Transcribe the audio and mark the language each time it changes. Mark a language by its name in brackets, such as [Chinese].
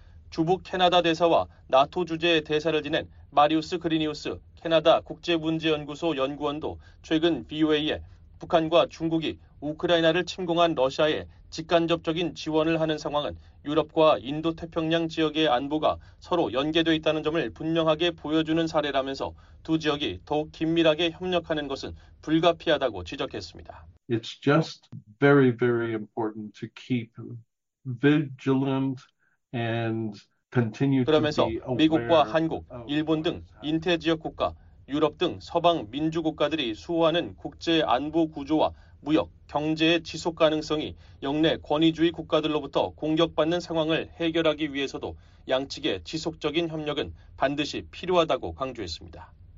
[Korean] 주부 캐나다 대사와 나토 주재의 대사를 지낸 마리우스 그리니우스 캐나다 국제문제연구소 연구원도 최근 BOA에 북한과 중국이 우크라이나를 침공한 러시아에 직간접적인 지원을 하는 상황은 유럽과 인도태평양 지역의 안보가 서로 연계되어 있다는 점을 분명하게 보여주는 사례라면서 두 지역이 더욱 긴밀하게 협력하는 것은 불가피하다고 지적했습니다. [English] It's just very, very important to keep vigilant and continue to be. [Korean] 그러면서 미국과 한국, 일본 등 인태 지역 국가, 유럽 등 서방 민주 국가들이 수호하는 국제 안보 구조와 무역, 경제의 지속 가능성이 역내 권위주의 국가들로부터 공격받는 상황을 해결하기 위해서도 양측의 지속적인 협력은 반드시 필요하다고 강조했습니다.